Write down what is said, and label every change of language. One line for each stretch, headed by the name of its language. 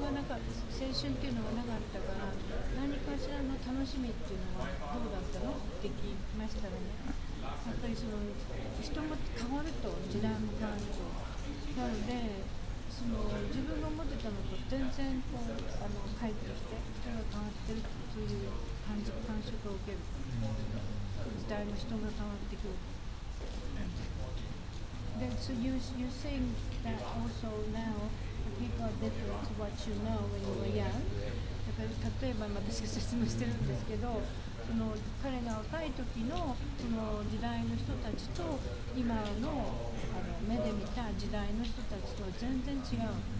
Japanese: 青春っていうのがなかったから、何かしらの楽しみっていうのはどうだったのって聞きましたらね、やっぱりその人も変わると、時代も変わると、なのでその自分が思ってたのと全然こう、あの帰ってきて人が変わってるという感触を受ける、時代の人が変わってくる。
English: で、so you're saying that also nowPeople are different to what you know when you were young.
Japanese: だから例えば私が説明してるんですけど、その彼が若い時のその時代の人たちと今の、あの目で見た時代の人たちとは全然違う。